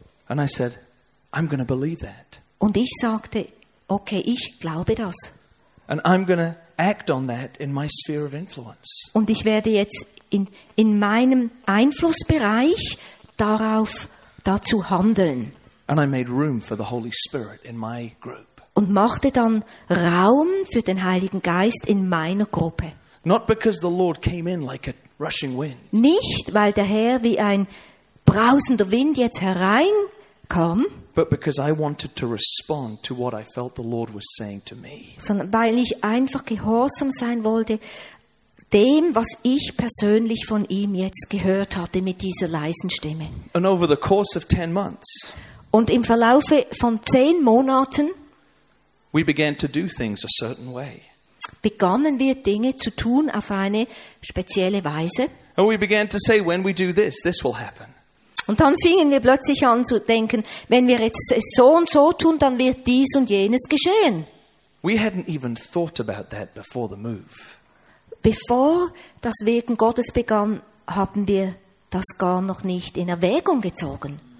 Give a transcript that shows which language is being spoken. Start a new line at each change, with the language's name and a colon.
English: And I said, I'm going to believe that.
German: Und ich sagte, okay, ich glaube das.
English: And I'm going to act on that in my sphere of influence.
German: Und ich werde jetzt in meinem Einflussbereich dazu handeln.
English: And I made room for the Holy Spirit in my group.
German: Und machte dann Raum für den Heiligen Geist in meiner Gruppe.
English: Not because the Lord came in like a rushing wind.
German: Nicht weil der Herr wie ein brausender Wind jetzt hereinkam.
English: But because I wanted to respond to what I felt the Lord was saying to me.
German: Sondern weil ich einfach gehorsam sein wollte dem, was ich persönlich von ihm jetzt gehört hatte mit dieser leisen Stimme.
English: And over the course of 10 months.
German: Und im Verlauf von 10 Monaten.
English: We began to do things a certain way.
German: Begannen wir Dinge zu tun auf eine spezielle Weise.
English: And we began to say, when we do this, this will happen.
German: Und dann fingen wir plötzlich an zu denken, wenn wir jetzt so und so tun, dann wird dies und jenes geschehen.
English: We hadn't even thought about that before the move.
German: Bevor das Wirken Gottes begann, haben wir das gar noch nicht in Erwägung gezogen.